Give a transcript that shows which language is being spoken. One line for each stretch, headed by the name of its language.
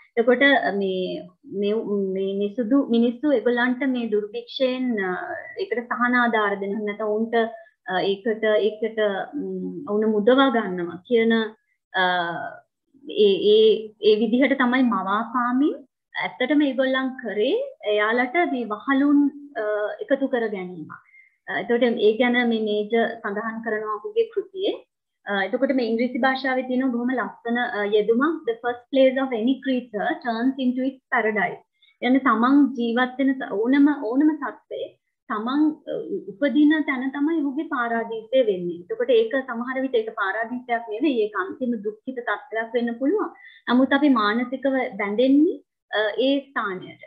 Sinhala: එතකොට මේ මිසුදු මිනිස්සු ඒගොල්ලන්ට මේ දුර්භික්ෂයෙන් ඒකට සහනාධාර දෙනවා, නැත්නම් ඔවුන්ට ඒකට ඔවුන මුදවා ගන්නවා කියන ඒ විදිහට තමයි මවාපාමින් ඇත්තටම ඒගොල්ලන් කරේ එයාලට මේ වහලුන් එකතු කර ගැනීම. එතකොට ඒ ගැන මේ මේජර් සඳහන් කරනවා ඔහුගේ කෘතියේ. එතකොට මේ ඉංග්‍රීසි භාෂාවේ තියෙන බොහොම ලස්සන යෙදුමක්,
English: the first place of any creature turns into its paradise.
Arabic: يعني
Sinhala: තමන් ජීවත් වෙන ඕනම සත්වේ තමන් උපදින තැන තමයි ඔහුගේ පාරාදීසය වෙන්නේ. එතකොට ඒක සමහර විට ඒක පාරාදීසයක් නෙවෙයි, ඒක අන්තිම දුක්ඛිත තත්ත්වයක් වෙන්න පුළුවන්. නමුත් අපි මානසිකව බැඳෙන්නේ ඒ ස්ථානයට.